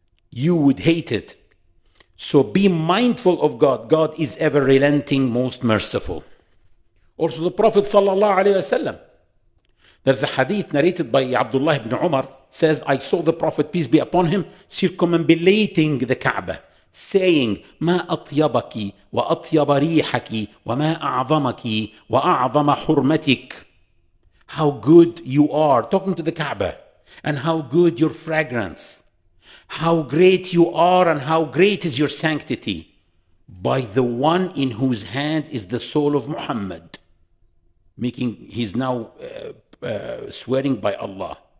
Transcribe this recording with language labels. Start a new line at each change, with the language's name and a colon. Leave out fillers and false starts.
English: You would hate it. So be mindful of God. God is ever relenting, most merciful. Also the Prophet sallallahu alayhi wasallam. There's a hadith narrated by Abdullah ibn Umar, says, I saw the Prophet, peace be upon him, circumambulating the Kaaba, saying,
Arabic: ما أطيبك وأطيب ريحك وما أعظمك وأعظم حرمتك.
English: How good you are, talking to the Kaaba, and how good your fragrance. How great you are and how great is your sanctity by the one in whose hand is the soul of Muhammad. Making, he's now swearing by Allah.